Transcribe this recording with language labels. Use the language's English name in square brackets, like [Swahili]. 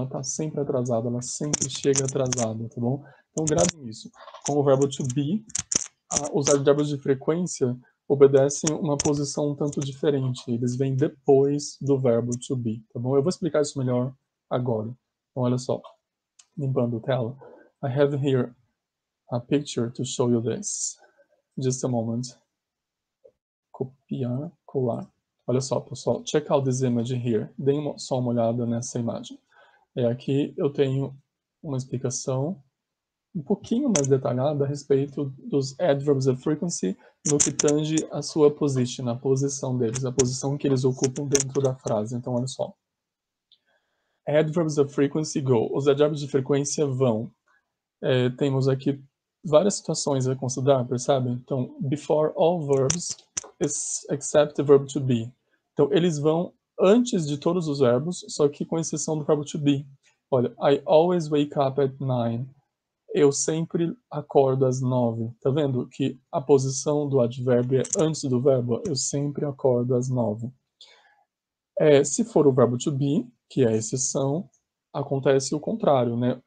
[Portuguese] Ela está sempre atrasada, ela sempre chega atrasada, tá bom? Então gravem isso. Com o verbo to be, os advérbios de frequência obedecem uma posição um tanto diferente. Eles vêm depois do verbo to be, tá bom? Eu vou explicar isso melhor agora. Então, olha só, limpando a tela. [English] I have here a picture to show you this. Just a moment. [Portuguese] Copiar, colar. Olha só, pessoal, [English] check out this image here. [Portuguese] Deem só uma olhada nessa imagem. Aqui eu tenho uma explicação um pouquinho mais detalhada a respeito dos [English] adverbs of frequency [Portuguese] no que tange a sua position, a posição deles, a posição que eles ocupam dentro da frase. Então, olha só. [English] Adverbs of frequency go. [Portuguese] Os advérbios de frequência vão. Temos aqui várias situações a considerar, percebe? [English] Então, before all verbs, except the verb to be. [Portuguese] Então, eles vão antes de todos os verbos, só que com exceção do verbo to be. Olha, [English] I always wake up at 9. [Portuguese] Eu sempre acordo às 9. Tá vendo que a posição do advérbio é antes do verbo? Eu sempre acordo às 9. Se for o verbo to be, que é a exceção, acontece o contrário, né?